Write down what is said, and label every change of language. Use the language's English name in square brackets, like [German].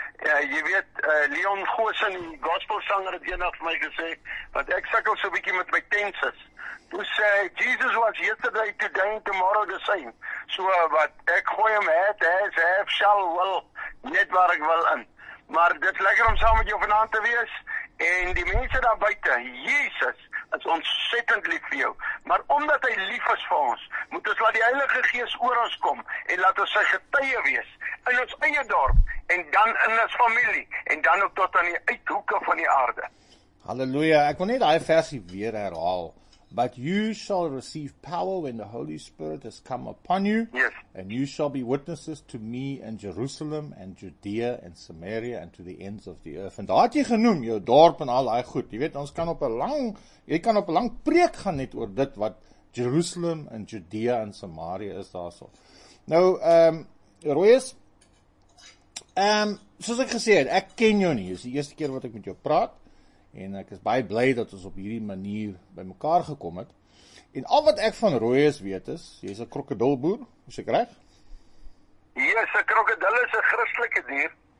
[Afrikaans] Jy weet, Leon Goosen, die gospel sanger, het eendag vir my gesê, want ek sukkel so bietjie met my tenses. Toe sê, [English] Jesus was yesterday, today, tomorrow the same. [Afrikaans] So wat, ek gooi hem het, [English] has, have, shall, will, [Afrikaans] net waar ek wil in. Maar dit is lekker om saam met jou vanaand te wees, en die mense daar buiten, Jesus, is ontzettend lief vir jou. Maar omdat hy lief is vir ons, moet ons laat die Heilige Gees oor ons kom, en laat ons sy getuie wees, in ons eie dorp, en dan in ons familie, en dan ook tot aan die uithoeke van die aarde. Halleluja, ek wil net die versie weer herhaal. [English] But you shall receive power when the Holy Spirit has come upon you, yes. And you shall be witnesses to me in Jerusalem and Judea and Samaria and to the ends of the earth. [Afrikaans] En daar het jy genoem, jou dorp en al die goed. Jy weet, ons kan op een lang, jy kan op een lang preek gaan net oor dit wat Jerusalem en Judea en Samaria is daar so. Nou, Royus, soos ek gesê het, ek ken jou nie, is die eerste keer wat ek met jou praat. En ek is baie blij dat ons op hierdie manier by mekaar gekom het. En al wat ek van Royus weet is, jy is een krokodilboer, is ek reg? Yes, een krokodil is een christelike dier.